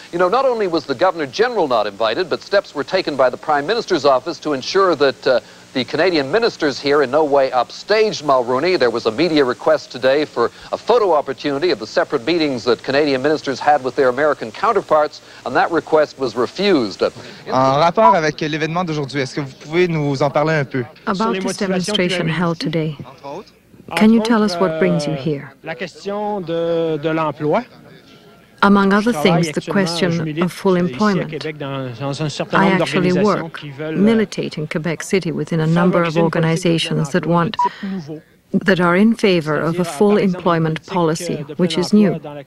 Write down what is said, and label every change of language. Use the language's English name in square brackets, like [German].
[English] You know, not only was the Governor General not invited, but steps were taken by the Prime Minister's office to ensure that the Canadian ministers here in no way upstaged Mulroney. There was a media request today for a photo opportunity of the separate meetings that Canadian ministers had with their American counterparts, and that request was refused. [French] En rapport avec l'événement d'aujourd'hui, est-ce que vous pouvez nous en parler un peu? [English] About this demonstration held today, can you tell us what brings you here? [French] La question de l'emploi. [English] Among other things, the question of full employment. I actually work, militate in Quebec City within a number of organizations that are in favor of a full employment policy, which is new.